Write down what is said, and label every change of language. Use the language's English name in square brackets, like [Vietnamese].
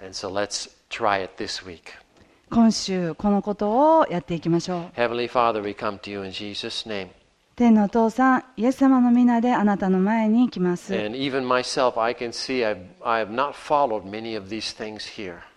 [English] And so let's try it this week. [Japanese] 今週このことをやっていきましょう。 [English] Heavenly Father, we come to you in Jesus' name. [Japanese] 天のお父さん、イエス様の皆であなたの前に来ます。 [English] And even myself, I can see I have not followed many of these things here.